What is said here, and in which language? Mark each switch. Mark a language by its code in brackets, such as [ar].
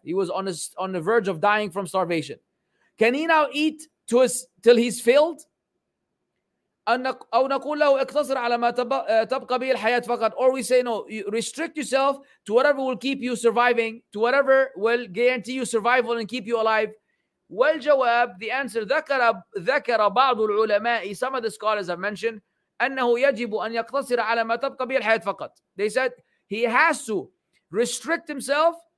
[en] He was on the verge of dying from starvation. Can he now eat till he's filled? [ar] أو نقول له اقتصر على ما تبقى به الحياة فقط. [en] Or we say no, restrict yourself to whatever will keep you surviving, to whatever will guarantee you survival and keep you alive. [ar] والجواب, [en] the answer, [ar] ذكر بعض العلماء, [en] some of the scholars have mentioned, [ar] أنه يجب أن يقتصر على ما تبقى به الحياة فقط. [en] They said he has to restrict himself